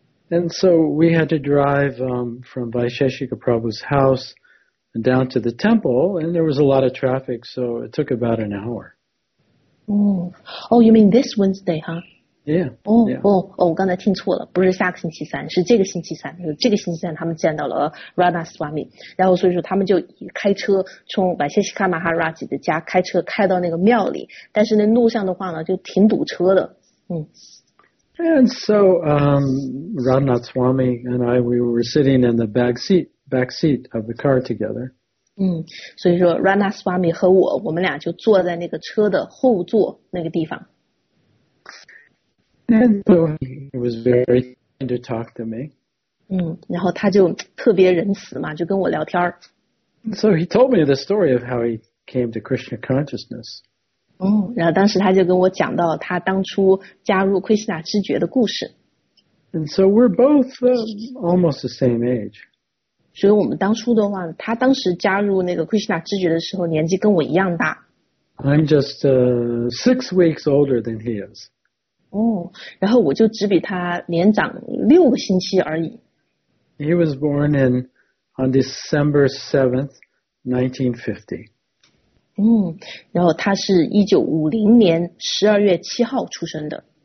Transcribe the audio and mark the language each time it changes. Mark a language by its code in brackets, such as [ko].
[en] And so we had to drive from Vaisheshika Prabhu's house down to the temple, and there was a lot of traffic, so it took about an hour. Oh, you mean this Wednesday, huh? Yeah. [zh] Oh, 我刚才听错了，不是下个星期三，是这个星期三。这个星期三他们见到了 Radhanath Swami, 然后所以说他们就开车从 Vaisheshika Maharaj 的家开车开到那个庙里，但是那路上的话呢，就挺堵车的。 [en] And so, Radhanath Swami and I, we were sitting in the back seat of the car together. [zh] 所以说 Radhanath Swami 和我们俩就坐在那个车的后座那个地方。 [en] And so he was very kind to talk to me. [zh] 然后他就特别仁慈嘛，就跟我聊天。 [en] So he told me the story of how he came to Krishna consciousness. [zh] 然后当时他就跟我讲到他当初加入 Krishna 知觉的故事。 [en] And so we're both almost the same age. [zh] 所以我们当初的话，他当时加入那个 Krishna 知觉的时候，年纪跟我一样大。 [en] I'm just six weeks older than he is. [zh] 哦，然后我就只比他年长六个星期而已。 [en] He was born in on December 7th, 1950. [zh] 嗯，然后他是1950年12月7号出生的。